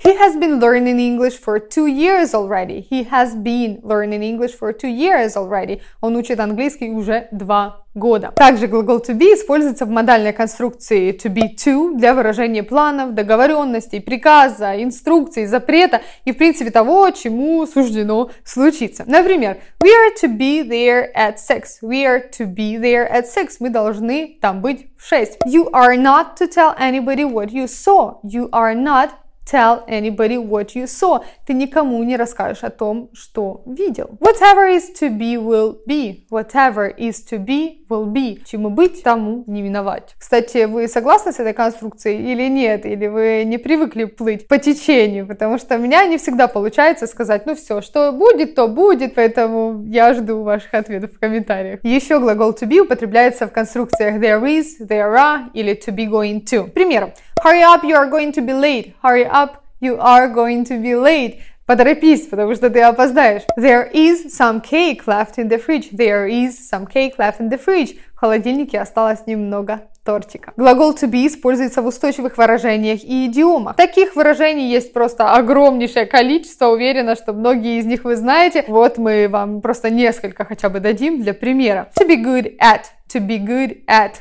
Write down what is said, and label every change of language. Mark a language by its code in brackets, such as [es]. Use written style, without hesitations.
[en] He has been learning English for 2 years already. He has been learning English for 2 years already. [ru] Он учит английский уже 2 года. Также глагол to be используется в модальной конструкции to be to для выражения планов, договоренностей, приказа, инструкций, запрета и, в принципе, того, чему суждено случиться. Например, [en] we are to be there at 6. We are to be there at 6. [ru] Мы должны там быть в 6. [en] You are not to tell anybody what you saw. You are not tell anybody what you saw. [ru] Ты никому не расскажешь о том, что видел. [en] Whatever is to be will be. Whatever is to be will be. [ru] Чему быть, тому не виновать. Кстати, вы согласны с этой конструкцией или нет? Или вы не привыкли плыть по течению? Потому что у меня не всегда получается сказать, ну все, что будет, то будет. Поэтому я жду ваших ответов в комментариях. Еще глагол to be употребляется в конструкциях [en] there is, there are [ru] или [en] to be going to. [ru] К примеру, [en] hurry up, you are going to be late. Hurry up, you are going to be late. [ru] Поторопись, потому что ты опоздаешь. [en] There is some cake left in the fridge. There is some cake left in the fridge. [ru] В холодильнике осталось немного тортика. Глагол to be используется в устойчивых выражениях и идиомах. Таких выражений есть просто огромнейшее количество. Уверена, что многие из них вы знаете. Вот мы вам просто несколько хотя бы дадим для примера. [en] To be good at. To be good at.